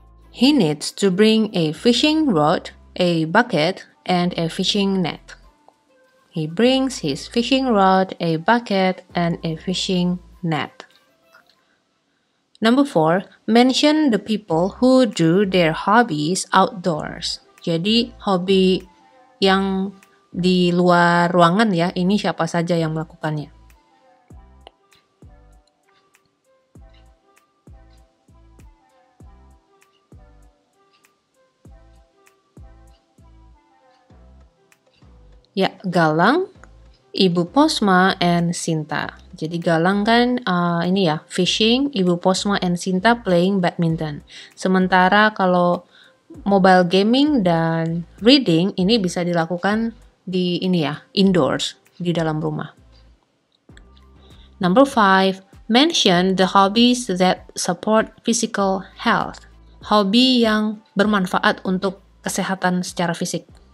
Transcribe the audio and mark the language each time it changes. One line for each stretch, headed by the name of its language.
English: He needs to bring a fishing rod, a bucket, and a fishing net. He brings his fishing rod, a bucket, and a fishing net. Number 4, mention the people who do their hobbies outdoors.
Indonesian: Jadi, hobi yang di luar ruangan ya, ini siapa saja yang melakukannya. Ya, Galang Ibu Posma and Sinta. Jadi Galang kan ini ya, fishing, Ibu Posma and Sinta
English: playing badminton.
Indonesian: Sementara kalau mobile gaming dan reading ini bisa dilakukan di ini ya, indoors, di dalam rumah.
English: Number 5, mention the hobbies that support physical health.
Indonesian: Hobi yang bermanfaat untuk kesehatan secara fisik.